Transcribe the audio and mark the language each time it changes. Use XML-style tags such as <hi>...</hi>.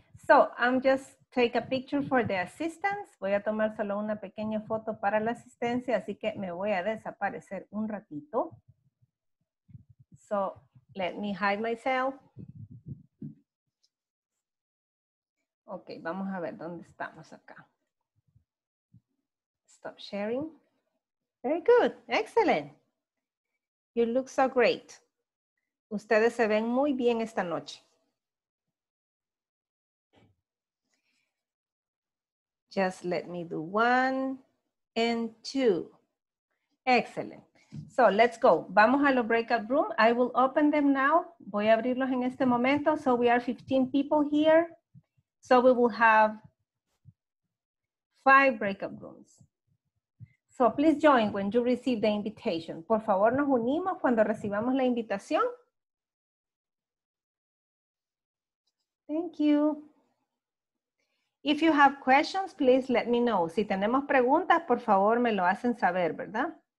<en>So, I'm just take a picture for the assistance.</en> <es>Voy a tomar solo una pequeña foto para la asistencia, así que me voy a desaparecer un ratito.</es> <en>So, let me hide myself.</en> <es>Okay, vamos a ver dónde estamos acá.</es> <en>Stop sharing. Very good. Excellent. You look so great.</en> <es>Ustedes se ven muy bien esta noche.</es> <en>Just let me do one and two. Excellent. So let's go.</en> <es>Vamos a los breakout room.</es> <en>I will open them now.</en> <es>Voy a abrirlos en este momento.</es> <en>So we are 15 people here. So we will have 5 breakout rooms. So please join when you receive the invitation.</en> <es>Por favor, nos unimos cuando recibamos la invitación.</es> <en>Thank you. If you have questions, please let me know.</en> <es>Si tenemos preguntas, por favor, me lo hacen saber, ¿verdad?</es>